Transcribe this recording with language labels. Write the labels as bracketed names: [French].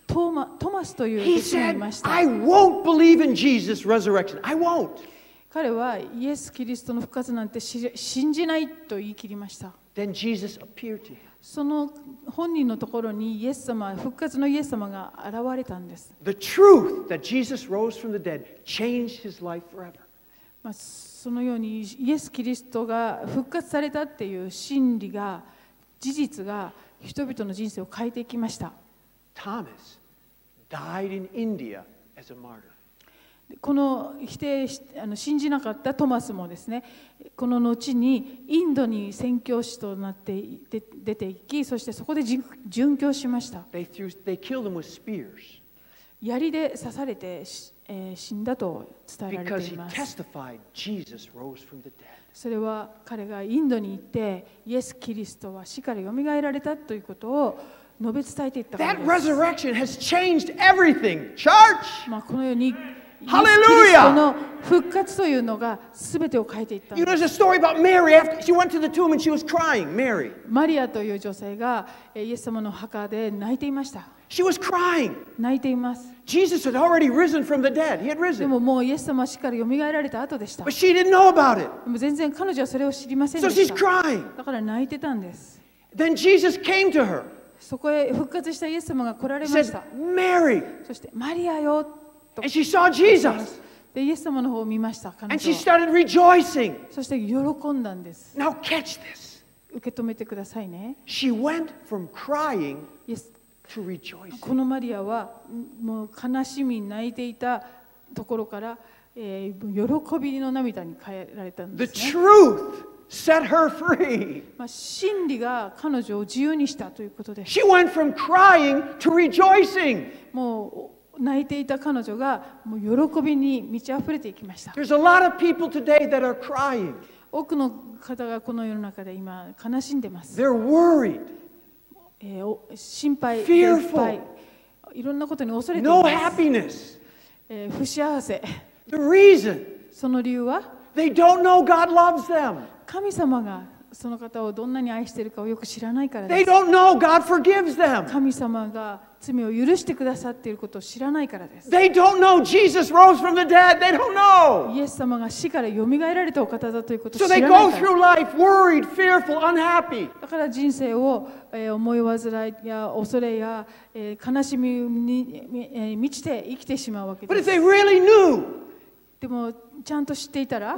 [Japanese] トーマスという人がいました。 [English] He said, I won't believe in Jesus' resurrection. I won't. [Japanese] 彼はイエス・キリストの復活なんて信じないと言い切りました。 [English] Then Jesus appeared to him. [Japanese] その本人のところにイエス様復活のイエス様が現れたんです。 [English] The truth that Jesus rose from the dead changed his life forever. [Japanese] まあそのようにイエス・キリストが復活されたっていう真理が事実が人々の人生を変えていきました。 [English] Thomas died in India as a martyr. [Japanese] この否定し信じなかったトマスもですね、この後にインドに宣教師となって出て行き、そしてそこで殉教しました。 [English] they killed him with spears. [Japanese] 槍で刺されて死んだと伝えられています。 [English] Because he testified Jesus rose from the dead. [Japanese] それは彼がインドに行ってイエス・キリストは死からよみがえられたということを述べ伝えていったからです。 [English] That resurrection has changed everything, church! [Japanese] まあこのようにイエス・キリストの復活というのが全てを変えていったんです。 [English] You know, there's a story about Mary. After she went to the tomb and she was crying, Mary. [Japanese] マリアという女性がイエス様の墓で泣いていました。 [English] She was crying. [Japanese] 泣いています。 [English] Jesus had already risen from the dead. He had risen. [Japanese] でももうイエス様は死から蘇られた後でした。 [English] But she didn't know about it. [Japanese] でも全然彼女はそれを知りませんでした。 [English] So she's crying. [Japanese] だから泣いてたんです。 [English] Then Jesus came to her. [Japanese] そこへ復活したイエス様が来られました。 [English] Said, Mary. [Japanese] そしてマリアよ。 [English] And she saw Jesus. [Japanese] でイエス様の方を見ました。彼女は。 [English] And she started rejoicing. [Japanese] そして喜んだんです。 [English] Now catch this. [Japanese] 受け止めてくださいね。 [English] She went from crying. Yes. [Japanese] このマリアはもう悲しみ泣いていたところから、喜びの涙に変えられたんですね。 [English] The truth set her free. [Japanese] まあ真理が彼女を自由にしたということです。 [English] She went from crying to rejoicing. [Japanese] もう泣いていた彼女がもう喜びに満ち溢れていきました。 [English] There's a lot of people today that are crying. [Japanese] 多くの方がこの世の中で今悲しんでます。 [English] They're worried. [Japanese] 心配、 [English] Fearful. [Japanese] 心配、いろんなことに恐れています。 [English] No happiness. [Japanese] 不幸せ。 [English] The reason. [Japanese] その理由は [English] They don't know God loves them. [Japanese] 神様がその方をどんなに愛しているかをよく知らないからです。 [English] They don't know God forgives them. [Japanese] 神様が罪を許してくださっていることを知らないからです。 [English] They don't know Jesus rose from the dead. They don't know. [Japanese] イエス様が死から蘇られたお方だということを知らないから。 [English] So they go through life worried, fearful, unhappy. [Japanese] だから人生を思い患いや恐れや悲しみに満ちて生きてしまうわけです。 [English] But if they really knew, [Japanese] でもちゃんと知っていたら、